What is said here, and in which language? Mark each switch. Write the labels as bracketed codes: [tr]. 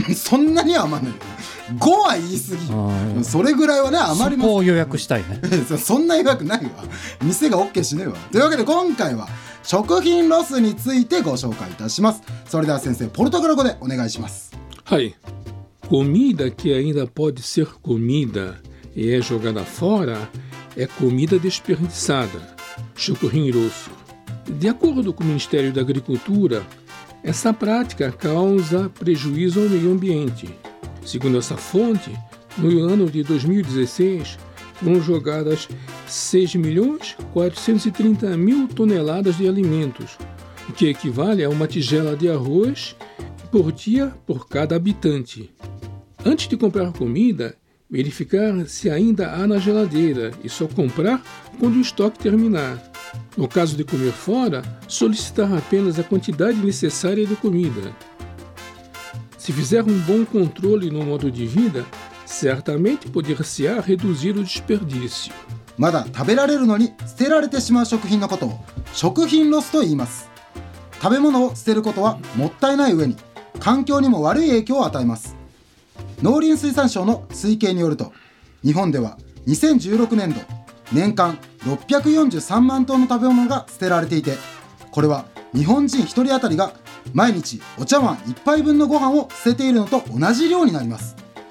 [ja] そんなに余る5は言い過ぎ、それぐらいはね余ります。そこを予約したいねそんな予約ないわ、店が OK しねえわ。というわけで今回は食品ロスについてご紹介いたします。それでは先生ポルトガル語でお願いします。はい。 [pt] Comida que ainda pode ser comida e é jogada fora é comida desperdiçada, chucurim grosso. De acordo com o Ministério da Agricultura, essa prática causa prejuízo ao meio ambiente. Segundo essa fonte, no ano de 2016, foram jogadas 6.430.000 toneladas de alimentos, o que equivale a uma tigela de arroz por dia por cada habitante. Antes de comprar comida, verificar se ainda há na geladeira e só comprar quando o estoque terminar. No caso de comer fora, solicitar apenas a quantidade necessária de comida. Se fizer um bom controle no modo de vida, certamente poder-se-á reduzir o desperdício. [ja] まだ食べられるのに捨てられてしまう食品のことを食品ロスと言います。食べ物を捨てることはもったいない上に環境にも悪い影響を与えます。農林水産省の推計によると、日本では2016年度、年間643万トンの食べ物が捨てられていて、これは日本人1人当たりが毎日お茶碗1杯分のご飯を捨てているのと同じ量になります。